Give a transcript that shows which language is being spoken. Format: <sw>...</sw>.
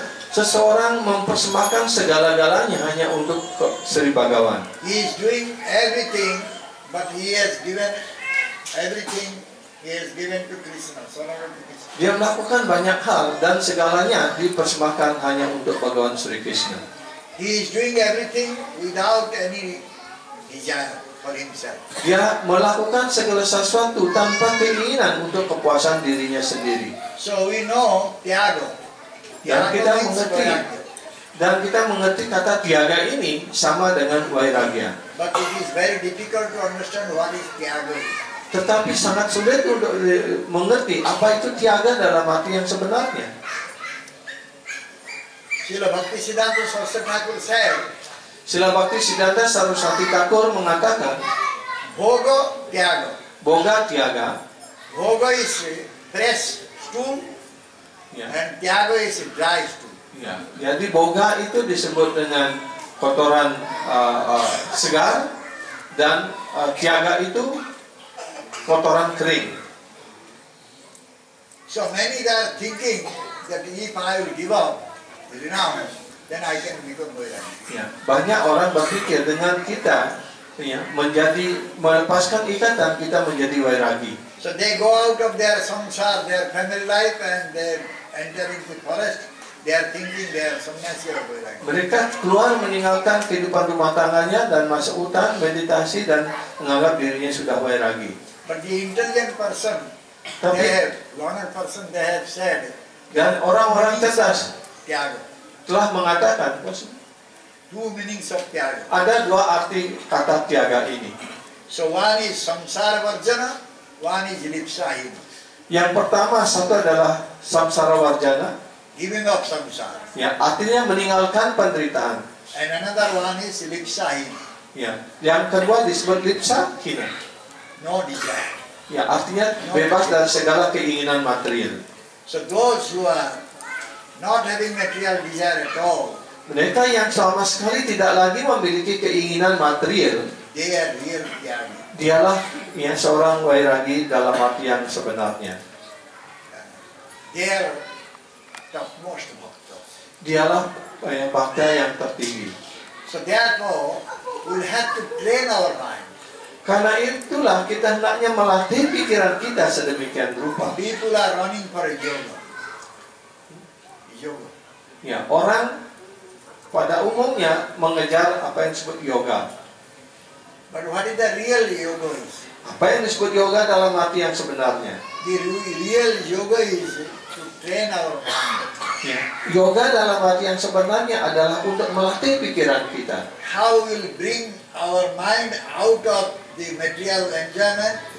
<id>Seseorang mempersembahkan segala-galanya hanya untuk Sri Bhagawan.</id> <en>He is doing everything, but he has given everything. He has given to Krishna.</en> <id>Dia melakukan banyak hal dan segalanya dipersembahkan hanya untuk Bhagawan Sri Krishna.</id> <en>He is doing everything without any desire. for himself.</en> <id>Dia melakukan segala sesuatu tanpa keinginan untuk kepuasan dirinya sendiri.</id> <en>So we know tiago.</en> <id>Dan kita mengerti. Dan kita mengerti kata tiaga ini sama dengan wairagya.</id> <en>But it is very difficult to understand what is tiago.</en> <id>Tetapi sangat sulit untuk mengerti apa itu tiaga dalam arti yang sebenarnya.</id> <en>Srila Bhakti Siddhanta Saraswati Thakur said.</en> <id>Srila Bhakti Siddhanta Saraswati Thakur mengatakan,</id> <sa>bhoga tiaga. Bhoga tiaga.</sa> <en>Bhoga is fresh stool. Yeah. And tiaga is dry stool. Yeah.</en> <id>Jadi bhoga itu disebut dengan kotoran segar dan tiaga itu kotoran kering.</id> <en>So many are thinking that if I will give up renounce, then I can become vairagya. Yeah.</en> <id>Banyak orang berpikir dengan kita menjadi melepaskan ikatan kita menjadi vairagi.</id> <en>So they go out of their samsara, their family life, and they enter into forest. They are thinking they are sannyasi or vairagi.</en> <id>Mereka keluar meninggalkan kehidupan rumah tangganya dan masuk hutan meditasi dan menganggap dirinya sudah vairagi.</id> <en>But the intelligent person,</en> <id>tapi,</id> <en>they have, learned person, they have said.</en> <id>Dan orang-orang cerdas</id> <sa>tiago</sa> <id>telah mengatakan,</id> <en>two meanings of tiago.</en> <id>Ada dua arti kata tiaga ini.</id> <en>So one is samsara varjana, one is lipsahin.</en> <id>Yang pertama satu adalah samsara varjana,</id> <en>giving up samsara.</en> <id>Ya, artinya meninggalkan penderitaan.</id> <en>And another one is lipsahin.</en> <id>Ya, yang kedua disebut lipsahin.</id> <en>No desire.</en> <id>Ya, artinya</id> <en>no</en> <id>bebas</id> <en>desire</en> <id>dari segala keinginan material.</id> <en>So those who are not having material desire at all.</en> <id>Mereka yang sama sekali tidak lagi memiliki keinginan material.</id> <en>They are real tiaga.</en> <id>Dialah yang seorang wairagi dalam arti yang sebenarnya.</id> <en>They are topmost bhakta.</en> <id>Dialah yang bhakta yang tertinggi.</id> <en>So therefore, we'll have to train our mind.</en> <id>Karena itulah kita hendaknya melatih pikiran kita sedemikian rupa. Itulah</id> <en>running for yoga. Yoga.</en> <id>Ya, orang pada umumnya mengejar apa yang disebut yoga.</id> <en>But what is the real yoga is?</en> <id>Apa yang disebut yoga dalam arti yang sebenarnya?</id> <en>The real yoga is to train our mind.</en> <id>Ya. Yoga dalam arti yang sebenarnya adalah untuk melatih pikiran kita.</id> <en>How will bring our mind out of the material enjoyment.</en>